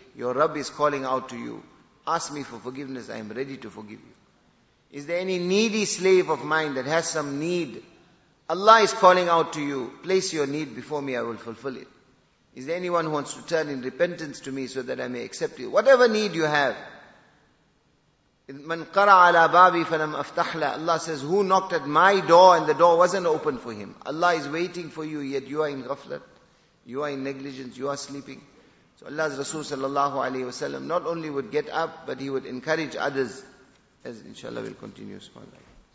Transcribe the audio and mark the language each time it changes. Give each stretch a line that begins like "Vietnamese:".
English: Your Rabb is calling out to you. Ask me for forgiveness, I am ready to forgive you. Is there any needy slave of mine that has some need? Allah is calling out to you. Place your need before me, I will fulfill it. Is there anyone who wants to turn in repentance to me so that I may accept you? Whatever need you have.
Arabic: من قرع على بابي فلم أفتح له.
English: Allah says, who knocked at my door and the door wasn't open for him? Allah is waiting for you, yet you are in ghaflat, you are in negligence, you are sleeping. So Allah's Rasul sallallahu alayhi wasallam not only would get up, but he would encourage others, as inshallah we'll continue.